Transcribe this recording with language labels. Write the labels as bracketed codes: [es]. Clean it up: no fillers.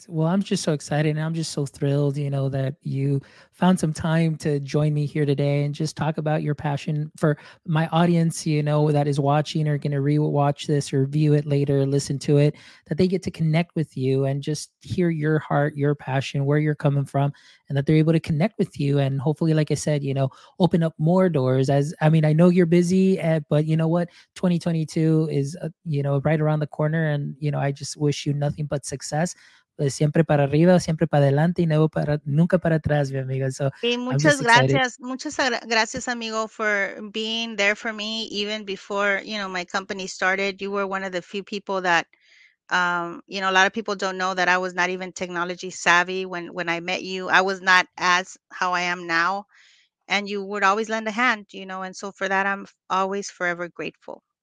[en] Well, I'm just so excited and I'm just so thrilled, you know, that you found some time to join me here today and just talk about your passion for my audience, you know, that is watching or going to rewatch this or view it later, listen to it, that they get to connect with you and just hear your heart, your passion, where you're coming from, and that they're able to connect with you. And hopefully, like I said, you know, open up more doors as, I mean, I know you're busy, but you know what? 2022 is, you know, right around the corner. And, you know, I just wish you nothing but success. [es] Siempre para arriba, siempre para adelante, y nuevo para, nunca para atrás, mi amiga. [en] So, [es] sí, muchas gracias. Muchas gracias, amigo, [en] for being there for me even before, you know, my company started. You were one of the few people that, you know, a lot of people don't know that I was not even technology savvy when I met you. I was not as how I am now. And you would always lend a hand, you know, and so for that, I'm always forever grateful.